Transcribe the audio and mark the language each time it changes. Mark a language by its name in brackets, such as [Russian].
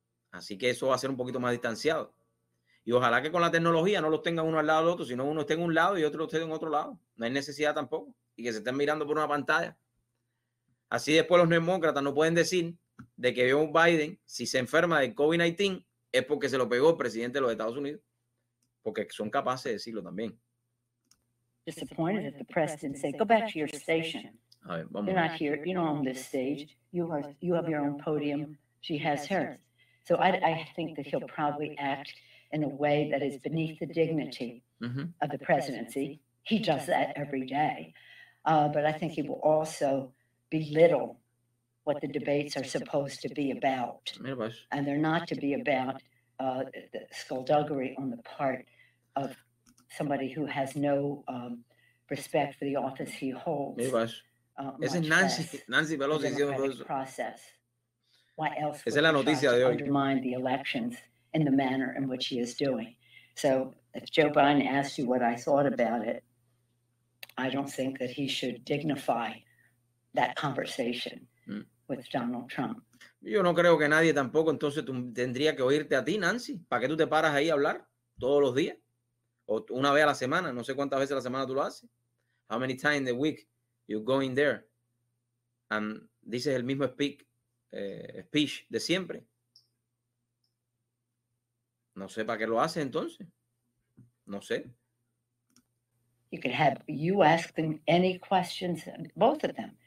[Spanish] Así que eso va a ser un poquito más distanciado. Y ojalá que con la tecnología no los tengan uno al lado del otro, sino uno esté en un lado y otro esté en otro lado. No hay necesidad tampoco. Y que se estén mirando por una pantalla. Así después los demócratas no pueden decir de que Joe Biden, si se enferma de COVID-19, es porque se lo pegó el presidente de los Estados Unidos. Porque son capaces de decirlo también. [English] Disappointed at the press and say, go back to your station. [Spanish] A ver, vamos. [English] You're not here, you're not on this stage. You have your own podium. She has her. So I think that he'll probably act in a way that is beneath the dignity of the presidency. He does that every day. But I think he will also belittle what the debates are supposed to be about. And they're not to be about the skullduggery on the part of somebody who has no respect for the office he holds. [Spanish] Mira, esa es Nancy Pelosi diciendo eso. [English] Process. Why else [Spanish] esa es la noticia de hoy. [English] Undermine the elections in the manner in which he is doing. So if Joe Biden asked you what I thought about it, I don't think that he should dignify that conversation with Donald Trump. [Spanish] Yo no creo que nadie tampoco entonces tendría que oírte a ti, Nancy. ¿Para qué tú te paras ahí a hablar todos los días? O una vez a la semana, no sé cuántas veces a la semana tú lo haces. [English] How many times in the week you go in there and dices el mismo speech de siempre. [Spanish] No sé para qué lo haces entonces. No sé. [English] You could have you ask them any questions, both of them.